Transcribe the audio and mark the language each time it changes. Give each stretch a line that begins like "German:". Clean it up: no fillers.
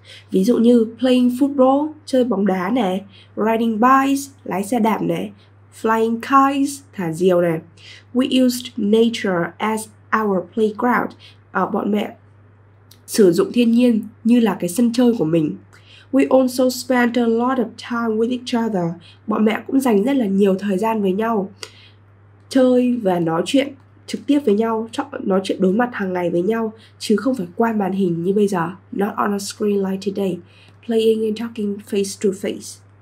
Vietnamese: Ví dụ như
English: playing football,
Vietnamese: chơi bóng đá nè,
English: riding bikes,
Vietnamese: lái xe đạp nè,
English: flying kites,
Vietnamese: thả diều nè.
English: We used nature as our playground.
Vietnamese: Bọn mẹ sử dụng thiên nhiên như là cái sân chơi của mình.
English: We also spent a lot of time with each other.
Vietnamese: Bọn mẹ cũng dành rất là nhiều thời gian với nhau, chơi và nói chuyện trực tiếp với nhau, nói chuyện đối mặt hàng ngày với nhau, chứ không phải qua màn hình như bây giờ.
English: Not on a screen like today. Playing and talking face to face.